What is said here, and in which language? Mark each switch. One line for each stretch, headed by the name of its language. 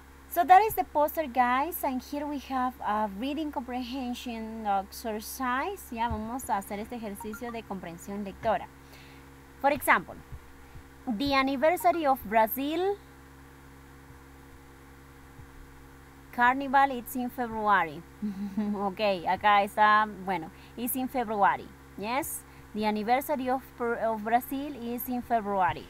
English: So that is the poster, guys, and here we have a reading comprehension exercise.
Spanish: Ya vamos a hacer este ejercicio de comprensión lectora.
English: For example, the anniversary of Brazil Carnival, it's in February.
Spanish: Okay, acá está, bueno,
English: it's in February. Yes, the anniversary of Brazil is in February.